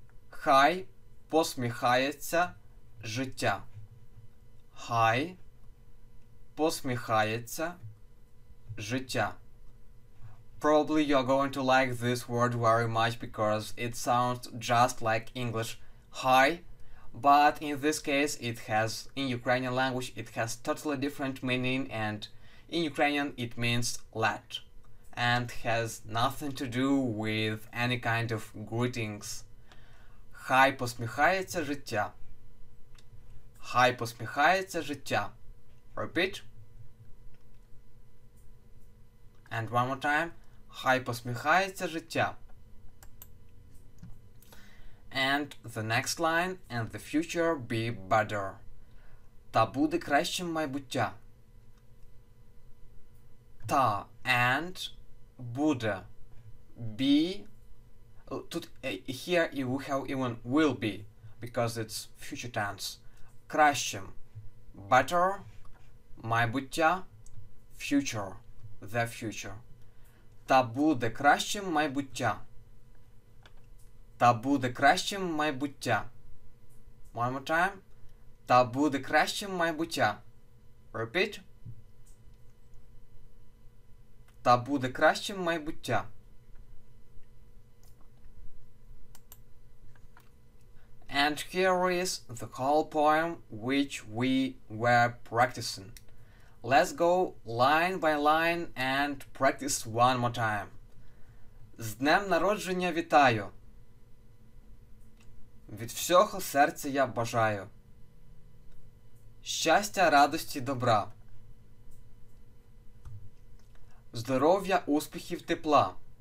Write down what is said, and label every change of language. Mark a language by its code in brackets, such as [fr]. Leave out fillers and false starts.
[uk] Хай посміхається життя. Хай посміхається життя. [en] Probably you're going to like this word very much because it sounds just like English "hi," but in this case it has, in Ukrainian language, it has totally different meaning, and in Ukrainian it means "let" and has nothing to do with any kind of greetings. [uk] Хай посміхається життя. Хай посміхається життя. [en] Repeat. And one more time. [uk] Хай посміхається життя. [en] And the next line, and the future be better. [uk] Та буде кращим майбуття. Та and буде be. [en] Here we have even will be, because it's future tense. Кращим, better, майбуття, future, the future. [uk] Та буде кращим майбуття. Та буде кращим майбуття. [en] One more time. [uk] Та буде кращим майбуття. [en] Repeat. [uk] Та буде кращим майбуття. [en] And here is the whole poem which we were practicing. Let's go line by line and practice one more time. [uk] З днем народження вітаю. Від всього серця я бажаю. Щастя, радості, добра. Здоров'я, успіхів, тепла.